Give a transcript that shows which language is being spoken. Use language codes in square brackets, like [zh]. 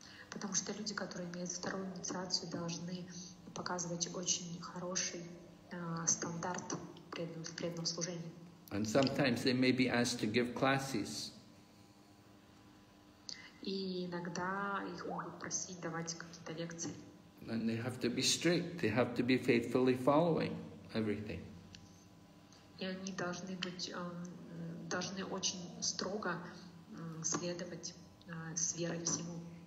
[ru] Потому что люди, которые имеют вторую инициацию, должны показывать очень хороший стандарт преданного служения. [en] And sometimes they may be asked to give classes. [ru] И иногда их могут просить давать какие-то лекции. [en] And they have to be strict, they have to be faithfully following everything. [ru] И они должны быть, должны очень строго следовать с верой всему.